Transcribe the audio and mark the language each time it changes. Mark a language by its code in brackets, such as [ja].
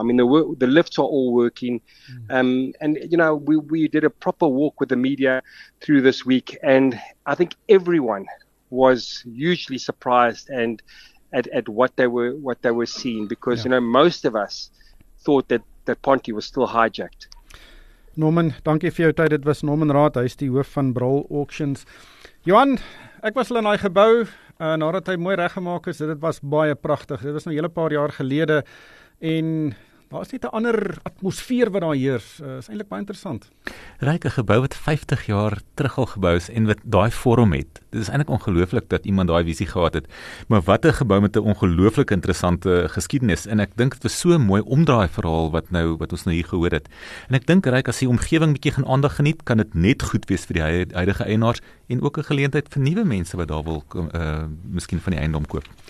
[en] I mean, the lifts are all working. And, you know, we did a proper walk with the media through this week, and I think everyone was hugely surprised and at what they were seeing, because, yeah, you know, most of us thought that Ponte was still hijacked. [af] Norman, dankie vir jou tyd. Dit was Norman Raad, hy is die hoof van Brawl Auctions. Johan, ek was in die gebouw, nadat hy mooi reggemaak is, dit was baie prachtig. Dit was nou hele paar jaar gelede, en daar is net 'n ander atmosfeer wat daar heers. Is eintlik baie interessant. Ryke gebouw wat 50 jaar terug al gebouw is, en wat daai vorm het. Dit is eintlik ongelooflik dat iemand daai visie gehad het. Maar wat 'n gebouw met 'n ongelooflik interessante geskiedenis. En ek dink dit was so 'n mooi omdraai verhaal wat ons nou hier gehoor het. En ek dink, Ryke, as die omgewing bietjie gaan aandag geniet, kan dit net goed wees vir die huidige eienaars, en ook 'n geleentheid vir nuwe mense wat daar wil miskien van die eiendom koop.